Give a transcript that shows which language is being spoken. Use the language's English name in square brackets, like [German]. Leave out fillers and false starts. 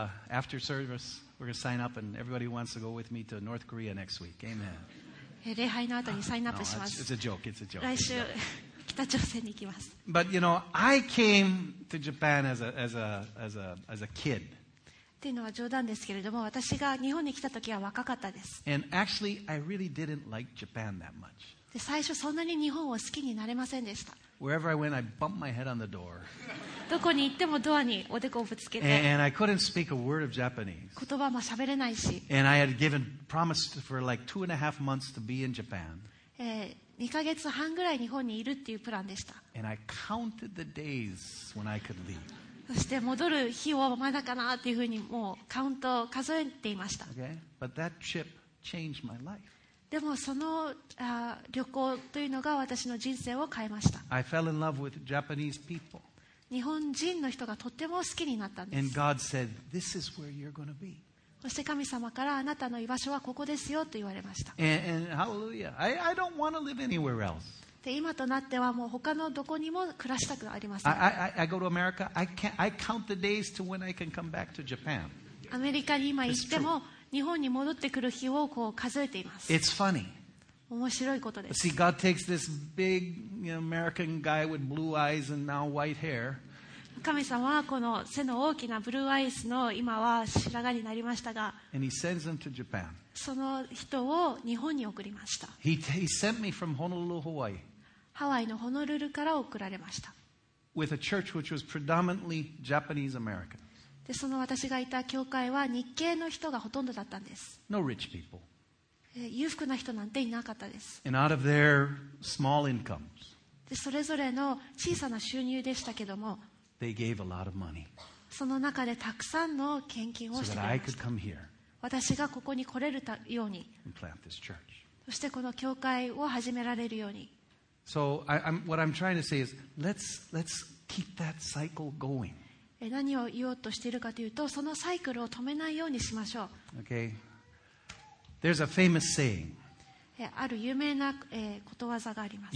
[English] After service, we're going to sign up and everybody wants to go with me to North Korea next week. Amen. [Japanese] 礼拝の後にサインアップします。 [English] No, it's a joke. [Japanese] 来週北朝鮮に行きます。 [English] But you know, I came to Japan as a kid. [Japanese] っていうのは冗談ですけれども、私が日本に来た時は若かったです。 [English] And actually, I really didn't like Japan that much. [Japanese] で、最初そんなに日本を好きになれませんでした。 [English] Wherever I went, I bumped my head on the door. [Japanese] どこに行ってもドアにおでこをぶつけて。 [English] And I couldn't speak a word of Japanese. [Japanese] 言葉も喋れないし。 [English] And I had given promise for like 2.5 months to be in Japan. [Japanese] 2ヶ月半ぐらい日本にいるっていうプランでした。 [English] And I counted the days when I could leave. [Japanese] そして戻る日をまだかなというふうにもうカウントを数えていました。 [English] Okay. But that trip changed my life. [Japanese] でもその旅行というのが私の人生を変えました。 [English] I fell in love with Japanese people. [Japanese] 日本人の人がとても好きになったんです。 [English] And God said, "This is where you're going to be." [Japanese] そして神様からあなたの居場所はここですよと言われました。 [English] And hallelujah, I don't want to live anywhere else. [Japanese] 今となってはもう他のどこにも暮らしたくありません。 [English] I go to America. I count the days to when I can come back to Japan. [Japanese] アメリカに今行っても日本に戻ってくる日をこう数えています。 [English] It's funny. [Japanese] 面白いことです。 [English] See, God takes this big American guy with blue eyes and now white hair. [Japanese] 神様はこの背の大きなブルーアイスの今は白髪になりましたが、 [English] And he sends him to Japan. [Japanese] その人を日本に送りました。 [English] He sent me from Honolulu, Hawaii. [Japanese] ハワイのホノルルから送られました。 [English] With a church which was predominantly Japanese American. [Japanese] で、その私がいた教会は日系の人がほとんどだったんです。 [English] No rich people. [Japanese] 裕福な人なんていなかったです。 [English] And out of their small incomes. [Japanese] で、それぞれの小さな収入でしたけども、 [English] They gave a lot of money. [Japanese] その中でたくさんの献金をしてくれました。 [English] So that I could come here. [Japanese] 私がここに来れるように、そしてこの教会を始められるように。 [English] So what I'm trying to say is, let's keep that cycle going. [Japanese] 何を言おうとしているかというと、そのサイクルを止めないようにしましょう。 [English] Okay. There's a famous saying. [Japanese] ある有名なことわざがあります。